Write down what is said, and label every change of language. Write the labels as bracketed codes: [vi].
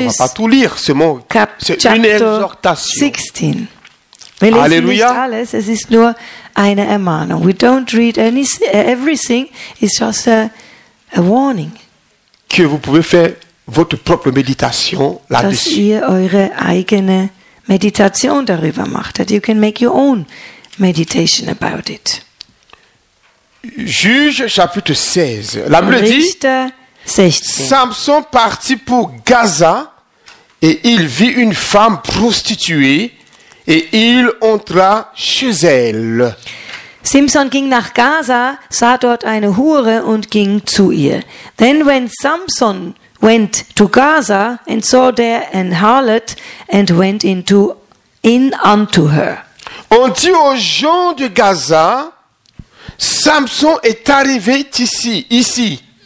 [fr] On va pas tout lire, c'est mon c'est une exhortation. [de] 16. Wir lesen Alleluia. Nicht alles, es ist nur eine Ermahnung. [en] We don't read everything, it's just a warning. [fr] Que vous pouvez faire votre propre méditation là-dessus. [de] Dass ihr eure eigene Meditation darüber macht. [en] That you can make your own meditation about it. [fr] Juge chapitre 16. La Bible dit, Samson partit pour Gaza et il vit une femme prostituée. Et il entra chez elle. [de] Simson ging nach Gaza, sah dort eine Hure und ging zu ihr. [en] Then when Samson went to Gaza and saw there an harlot and went in unto her. [fr] On dit aux gens de Gaza, Samson est arrivé ici.